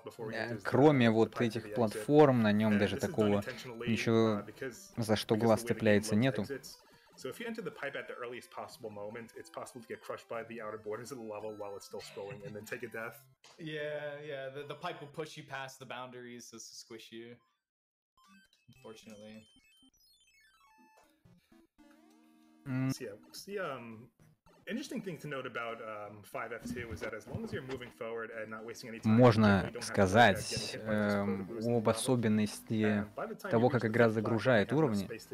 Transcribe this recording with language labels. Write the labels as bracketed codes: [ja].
[ru] Да, кроме вот этих платформ, на нем даже такого ничего, за что глаз цепляется, нету. [en] So if you enter the pipe at the earliest possible moment, it's possible to get crushed by the outer borders of the level while it's still scrolling and then take a death. Yeah, the pipe will push you past the boundaries to squish you. Unfortunately. So interesting thing to note about 5F2 is that as long as you're moving forward and not wasting any time, [ru] можно сказать об особенности того, как игра загружает уровни.